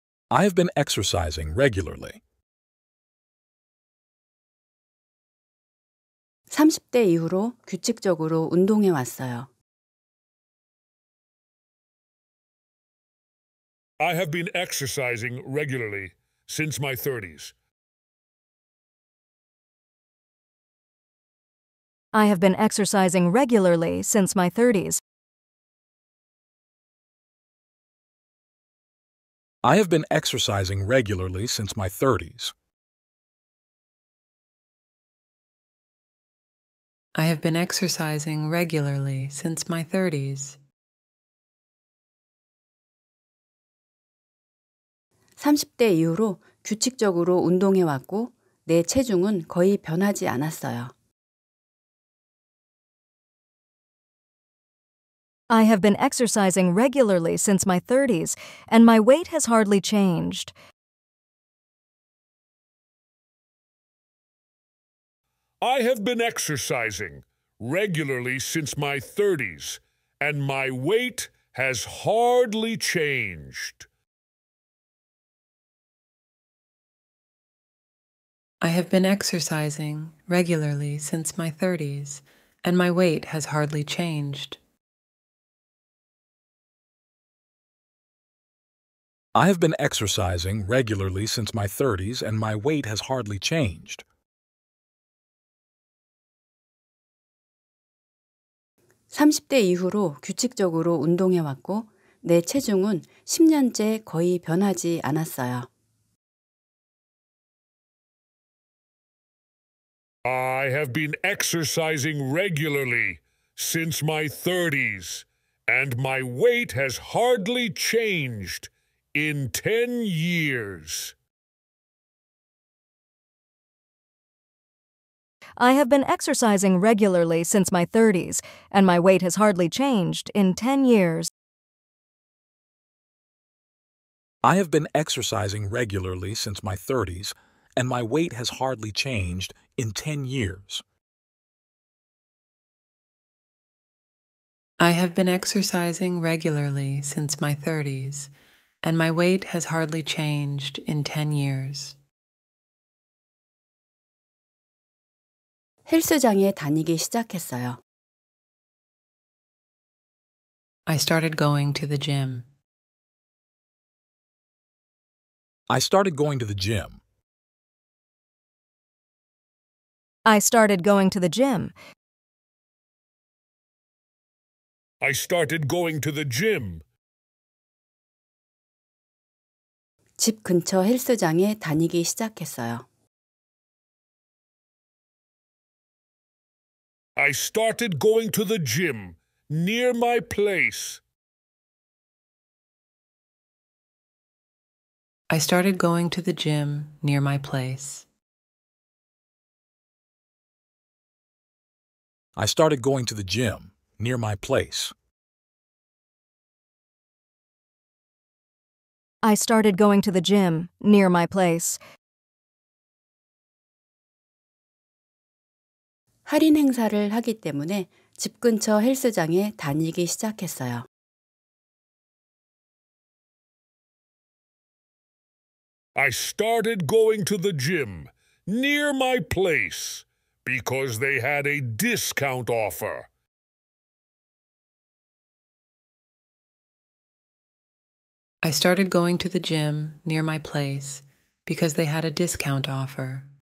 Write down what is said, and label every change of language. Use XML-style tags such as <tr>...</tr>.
<en>I have been exercising regularly.</en> <ko>30대 이후로 규칙적으로 운동해 왔어요.</ko> <en>I have been exercising regularly since my 30s. I have been exercising regularly since my 30s. I have been exercising regularly since my 30s. I have been exercising regularly since my 30s.</en> <ko>30대 이후로 규칙적으로 운동해 왔고 내 체중은 거의 변하지 않았어요.</ko> <en>I have been exercising regularly since my 30s and my weight has hardly changed. I have been exercising regularly since my 30s and my weight has hardly changed. I have been exercising regularly since my 30s, and my weight has hardly changed. I have been exercising regularly since my 30s, and my weight has hardly changed.</en> <ko>30대 이후로 규칙적으로 운동해왔고 내 체중은 10년째 거의 변하지 않았어요.</ko> <en>I have been exercising regularly since my 30s, and my weight has hardly changed in 10 years. I have been exercising regularly since my 30s, and my weight has hardly changed in 10 years. I have been exercising regularly since my 30s, and my weight has hardly changed in 10 years. I have been exercising regularly since my 30s, and my weight has hardly changed in 10 years.</en> <ko>헬스장에 다니기 시작했어요.</ko> <en>I started going to the gym. I started going to the gym. I started going to the gym. I started going to the gym.</en> <ko>집 근처 헬스장에 다니기 시작했어요.</ko> <en>I started going to the gym near my place. I started going to the gym near my place. I started going to the gym near my place. I started going to the gym near my place.</en> <ko>할인 행사를 하기 때문에 집 근처 헬스장에 다니기 시작했어요.</ko> <en>I started going to the gym near my place because they had a discount offer. I started going to the gym near my place because they had a discount offer.</en>